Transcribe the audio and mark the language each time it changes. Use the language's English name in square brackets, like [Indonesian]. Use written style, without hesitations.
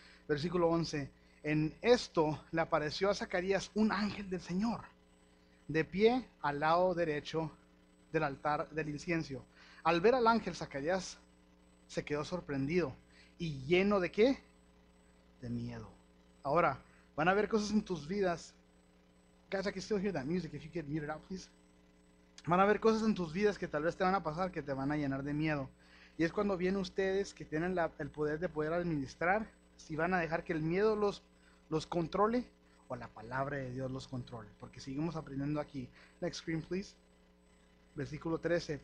[Spanish] Versículo 11, en esto le apareció a Zacarías un ángel del Señor, de pie al lado derecho del altar del incienso. Al ver al ángel, Zacarías se quedó sorprendido. ¿Y lleno de qué? De miedo. Ahora, van a haber cosas en tus vidas. [English] Guys, I can still hear that music. If you could mute it out, please. [Spanish] Van a haber cosas en tus vidas que tal vez te van a pasar que te van a llenar de miedo. Y es cuando vienen ustedes que tienen el poder de poder administrar, si van a dejar que el miedo los controle o la palabra de Dios los controle. Porque seguimos aprendiendo aquí. [English] Next screen, please. [Spanish] Versículo 13.